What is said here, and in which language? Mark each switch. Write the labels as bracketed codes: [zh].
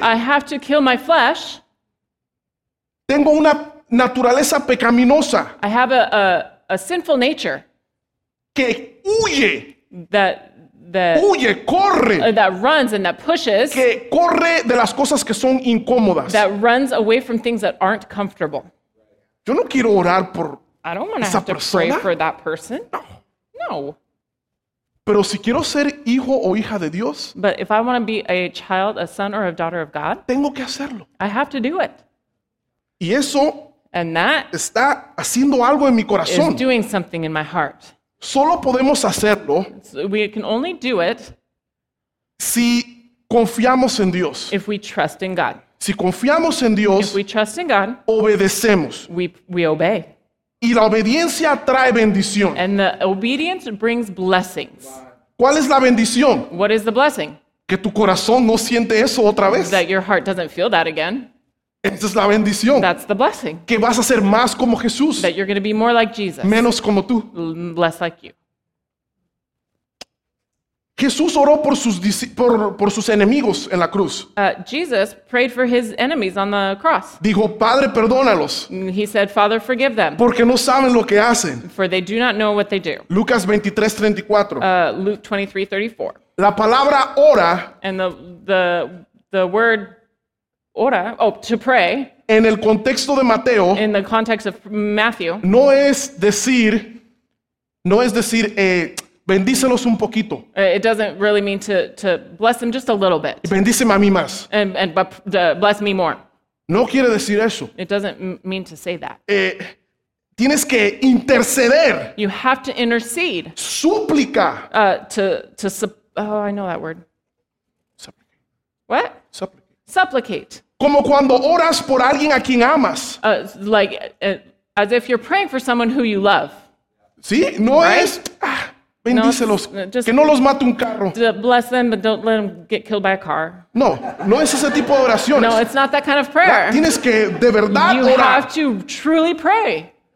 [en] I have to kill my flesh. [es] Tengo una naturaleza pecaminosa. [en] I have a sinful nature. [es] Que huye. [en] That [es] huye, corre. [en] That runs and that pushes. [es] Que corre de las cosas que son incómodas. [en] That runs away from things that aren't comfortable. [es] Yo no quiero orar por [en] I don't want to [es] persona. [en] Pray for that person. [es] No. [en] No. [es] Pero si quiero ser hijo o hija de Dios, [en] but if I want to be a child, a son or a daughter of God, [es] tengo que hacerlo. [en] I have to do it. [es] Y eso [en] and that [es] está haciendo algo en mi corazón. [en] Is doing something in my heart. [es] Solo podemos hacerlo [en] so we can only do it [es] si confiamos en Dios. [en] If we trust in God. [es] Si confiamos en Dios, [en] if we trust in God, [es] obedecemos. [en] We obey. [es] Y la obediencia trae bendición. [en] And the obedience brings blessings. [es] ¿Cuál es la bendición? [en] What is the blessing? [es] Que tu corazón no siente eso otra vez. [en] That your heart doesn't feel that again. [es] Esa es la bendición. [en] That's the blessing. [es] Que vas a ser más como Jesús. [en] That you're going to be more like Jesus. [es] Menos como tú. [en] Less like you. [es] Jesús oró por sus enemigos en la cruz. [en] Jesus prayed for his enemies on the cross. [es] Dijo, Padre, perdónalos. [en] He said, Father, forgive them. [es] Porque no saben lo que hacen. [en] For they do not know what they do. [es] Lucas 23:34. [en] Luke 23:34. [es] La palabra ora. [en] And the word ora, to pray. [es] En el contexto de Mateo. [en] In the context of Matthew. [es] No es decir, bendícelos un poquito. [en] It doesn't really mean to bless them just a little bit. [es] Bendíceme a mí más. [en] And bless me more. [es] No quiere decir eso. [en] It doesn't mean to say that. [es] Tienes que interceder. [en] You have to intercede. [es] Súplica. [en] I know that word. What? Supplicate. [es] Como cuando oras por alguien a quien amas. [en] Like as if you're praying for someone who you love. [es] Sí, no [en] right? [es] Es. Bendícelos, [en] just [es] que no los mate un carro. [en] Bless them, but don't let them get killed by a car. [es] No, no es ese tipo de oraciones. [en] No, it's not that kind of prayer. [es] Tienes que de verdad [en] you [es] orar. [en] You have to truly pray.